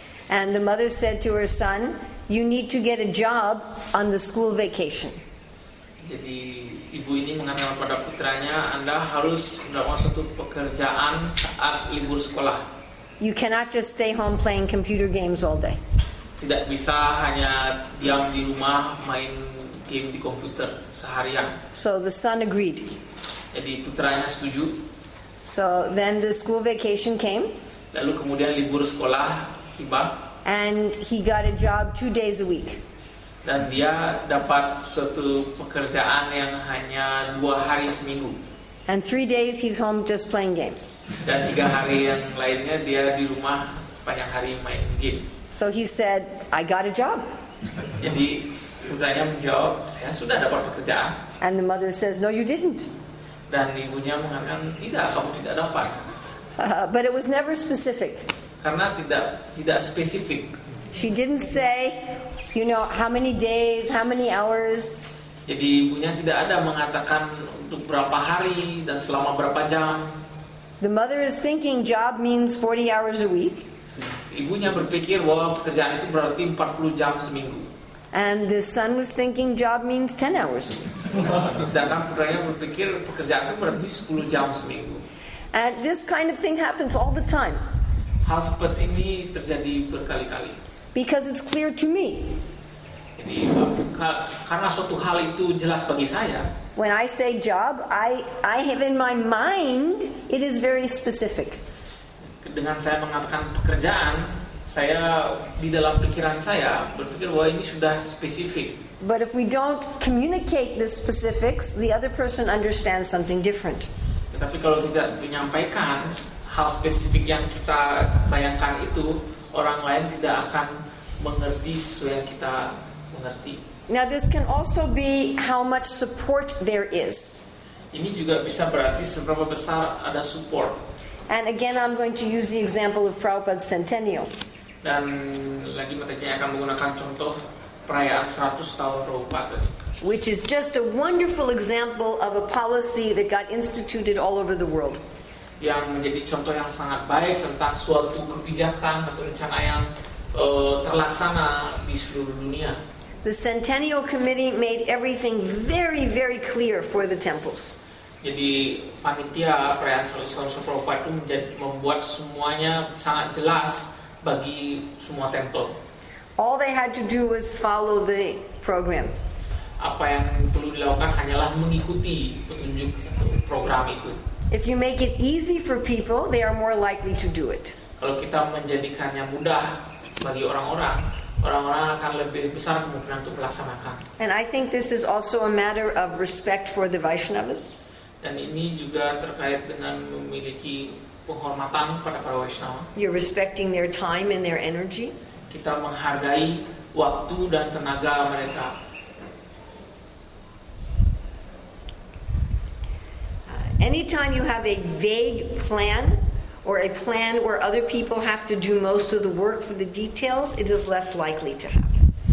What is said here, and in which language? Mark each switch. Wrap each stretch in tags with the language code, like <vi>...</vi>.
<en>And the mother said to her son, "You need to get a job on the school vacation."</en> <id>Jadi ibu ini mengatakan pada putranya, Anda harus mendapatkan suatu pekerjaan saat libur sekolah.</id> <en>You cannot just stay home playing computer games all day.</en> <id>Tidak bisa hanya diam di rumah main game di komputer seharian.</id> <en>So the son agreed.</en> <id>Jadi putranya setuju.</id> <en>So then the school vacation came.</en> <id>Lalu kemudian libur sekolah tiba.</id> <en>And he got a job 2 days a week.</en> <id>Dan dia dapat suatu pekerjaan yang hanya 2 hari seminggu.</id> <en>And 3 days he's home just playing games.</en> <id>Dan 3 hari yang lainnya dia di rumah sepanjang hari main game.</id> <en>So he said, I got a job.</en> <id>Jadi putranya menjawab, saya sudah dapat pekerjaan.</id> <en>And the mother says, no you didn't.</en> <id>Dan ibunya mengatakan, tidak, kamu tidak dapat.</id> <en>But it was never specific.</en> <id>Karena tidak spesifik.</id> <en>She didn't say, you know, how many days, how many hours.</en> <id>Jadi ibunya tidak ada mengatakan untuk berapa hari dan selama berapa jam.</id> <en>The mother is thinking job means 40 hours a week.</en> <id>Ibunya berpikir bahwa pekerjaan itu berarti 40 jam seminggu.</id> <en>And the son was thinking job means 10 hours a week.</en> <id>Sedangkan putranya berpikir pekerjaan itu berarti 10 jam seminggu.</id> <en>And this kind of thing happens all the time.</en> <id>Hal seperti ini terjadi berkali-kali.</id> <en>Because it's clear to me.</en> <id>Jadi, karena suatu hal itu jelas bagi saya.</id> <en>When I say job, I have in my mind it is very specific.</en> <id>Dengan saya mengatakan pekerjaan, saya di dalam pikiran saya berpikir bahwa ini sudah spesifik.</id> <en>But if we don't communicate the specifics, the other person understands something different.</en> <id>Tetapi kalau tidak menyampaikan hal spesifik yang kita bayangkan itu, orang lain tidak akan mengerti sesuai yang kita mengerti.</id> <en>Now this can also be how much support there is.</en> <id>Ini juga bisa berarti seberapa besar ada support.</id> <en>And again I'm going to use the example of Prabhupada's centennial.</en> <id>Dan lagi matanya akan menggunakan contoh perayaan 100 tahun Prabhupada tadi.</id> <en>Which is just a wonderful example of a policy that got instituted all over the world.</en> <id>Yang menjadi contoh yang sangat baik tentang suatu kebijakan atau rencana yang terlaksana di seluruh dunia.</id> <en>The Centennial Committee made everything very, very clear for the temples.</en> <id>Jadi panitia perayaan Selasa Prabhupada itu menjadi, membuat semuanya sangat jelas bagi semua tempel.</id> <en>All they had to do was follow the program.</en> <id>Apa yang perlu dilakukan hanyalah mengikuti petunjuk program itu.</id> <en>If you make it easy for people, they are more likely to do it.</en> <id>Kalau kita menjadikannya mudah bagi orang-orang, orang-orang akan lebih besar kemungkinan untuk melaksanakan.</id> <en>And I think this is also a matter of respect for the Vaishnavas.</en> <id>Dan ini juga terkait dengan memiliki penghormatan kepada para Vaishnava.</id> <en>You're respecting their time and their energy.</en> <id>Kita menghargai waktu dan tenaga mereka.</id> <en>Anytime you have a vague plan or a plan where other people have to do most of the work for the details, it is less likely to happen.</en>